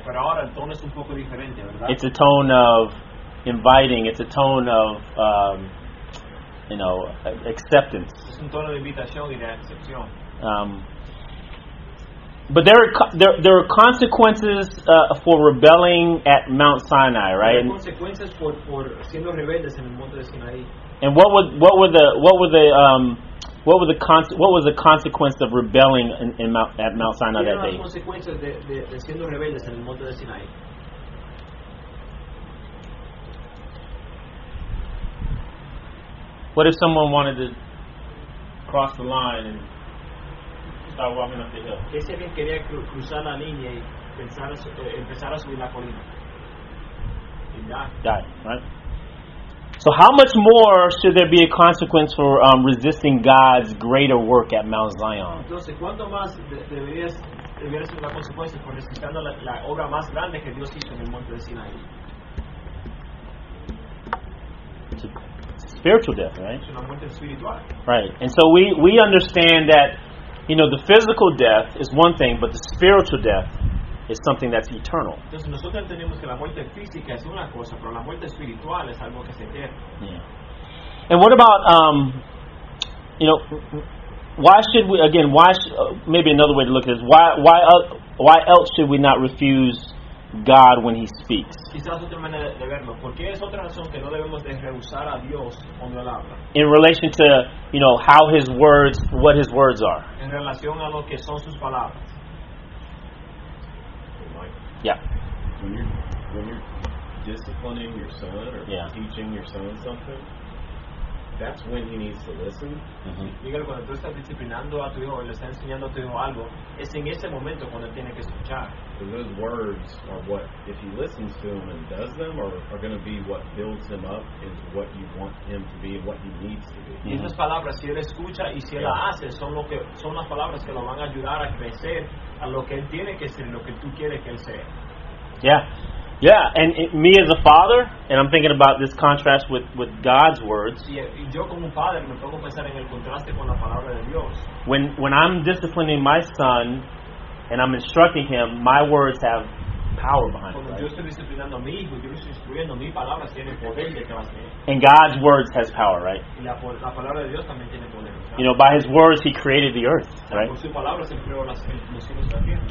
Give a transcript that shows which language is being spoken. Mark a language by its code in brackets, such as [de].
[es] Pero ahora el tono es un poco diferente, ¿verdad? [en] It's a tone of inviting. It's a tone of, you know, acceptance. [es] Es un tono de invitación y de acepción. [en] But there are consequences for rebelling at Mount Sinai, right? [es] Hay consecuencias por siendo rebeldes en el monte de Sinaí. [en] And what was the consequence of rebelling at Mount Sinai that day? [es] Las consecuencias de siendo rebeldes en el monte de Sinaí. [en] What if someone wanted to cross the line and start walking up the hill? [es] ¿Qué si alguien quería cruzar la línea y empezar a subir la colina? [en] Die, right? So how much more should there be a consequence for resisting God's greater work at Mount Zion? [es] Entonces, ¿cuánto más debería ser la consecuencia por resistiendo la obra más grande que Dios hizo en el monte de Sinaí? [en] Spiritual death, right? [es] Es una muerte espiritual. [en] Right. And so we understand that, you know, the physical death is one thing, but the spiritual death is something that's eternal. [es] Entonces nosotros entendemos que la muerte física es una cosa, pero la muerte espiritual es algo que se pierde. [en] Yeah. And what about you know, why should we, again, maybe another way to look at it is why else should we not refuse God when he speaks? [es] Quizás otra manera de verlo, porque es otra razón que no debemos de rehusar a Dios cuando él habla. [en] In relation to, you know, how his words, what his words are. [es] En relación a lo que son sus palabras. [en] Yeah. When you're disciplining your son or teaching your son something, that's when he needs to listen. [es] Dígale, cuando tú estás disciplinando a tu hijo o le estás enseñando a tu hijo algo, es en ese momento cuando tiene que escuchar. [en] Because those words are what, if he listens to them and does them, are going to be what builds him up into what you want him to be and what he needs to be. [es] Y esas palabras, si él escucha y si él hace, son las palabras que lo van a ayudar a crecer a lo que él tiene que ser, lo que tú quieres que él sea. [en] Yeah. Yeah, and me as a father, and I'm thinking about this contrast with God's words. [es] Yo como padre me pongo a pensar en el contraste con la palabra de Dios. [en] When I'm disciplining my son and I'm instructing him, my words have power behind them. [es] Cuando yo estoy disciplinando a mi hijo, yo estoy instruyendo, mi palabra tiene poder detrás de él. [en] And God's words has power, right? [es] Y la palabra de Dios también tiene poder. [en] You know, by his words he created the earth, right? [es] Por sus palabras él creó las cielos y la tierra.